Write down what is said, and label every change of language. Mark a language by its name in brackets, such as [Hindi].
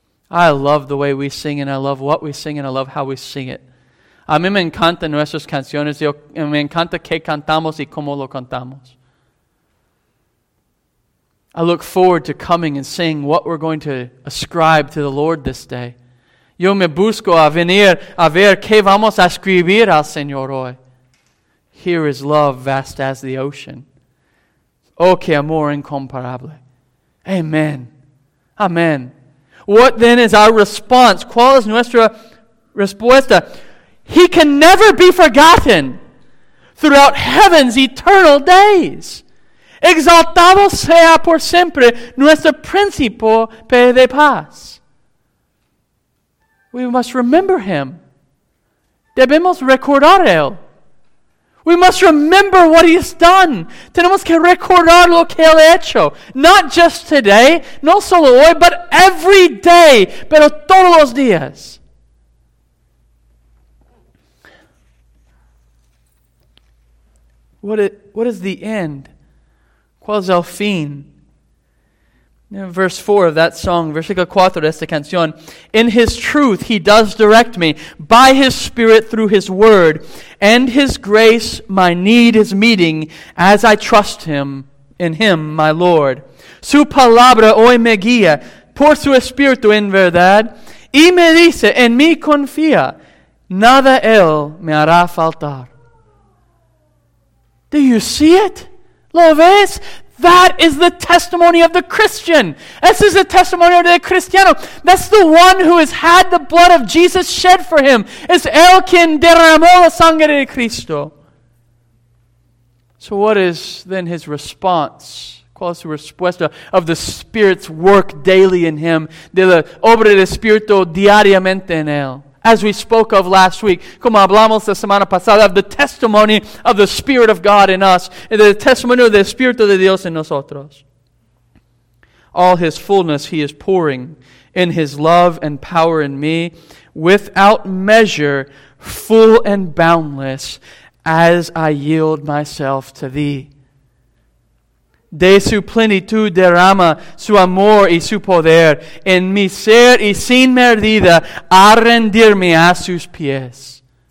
[English] I love the way we sing, and I love what we sing, and I love how we sing it. [Spanish] A mí me encantan nuestras canciones, y me encanta que cantamos y cómo lo cantamos. [English] I look forward to coming and seeing what we're going to ascribe to the Lord this day. [Spanish] Yo me busco a venir a ver qué vamos a escribir al Señor hoy. [English] Here is love vast as the ocean. [Spanish] Oh, qué amor incomparable. [English] Amen. Amen. What then is our response? [Spanish] ¿Cuál es nuestra respuesta? [English] He can never be forgotten throughout heaven's eternal days. [Spanish] Exaltado sea por siempre nuestro príncipe de paz. [English] We must remember him. [Spanish] Debemos recordar él. [English] We must remember what he's done. [Spanish] Tenemos que recordar lo que él ha hecho. [English] Not just today, [Spanish] no solo hoy, [English] but every day, [Spanish] pero todos los días. [English] What is the end? [Spanish] ¿Cuál es el fin? [English] Verse 4 of that song, [Spanish] versículo 4 de esta canción. [English] In his truth he does direct me, by his spirit through his word, and his grace my need is meeting, as I trust him, in him my Lord. [Spanish] Su palabra hoy me guía, por su espíritu en verdad, y me dice, en mí confía, nada él me hará faltar. [English] Do you see it? [Spanish] ¿Lo ves? [English] That is the testimony of the Christian. This is the testimony of the cristiano. That's the one who has had the blood of Jesus shed for him. [Spanish] Es el quien derramó la sangre de Cristo. [English] So what is then his response? [Spanish] ¿Cuál es su respuesta [English] of the Spirit's work daily in him? [Spanish] De la obra del Espíritu diariamente en él. [English] As we spoke of last week, [Spanish] como hablamos la semana pasada, [English] of the testimony of the Spirit of God in us, and the testimony of the [Spanish] Espíritu de Dios en nosotros. [English] All his fullness he is pouring in his love and power in me, without measure, full and boundless, as I yield myself to thee. [Spanish] De su plenitud derrama su amor y su poder en mi ser y sin medida a rendirme a sus pies.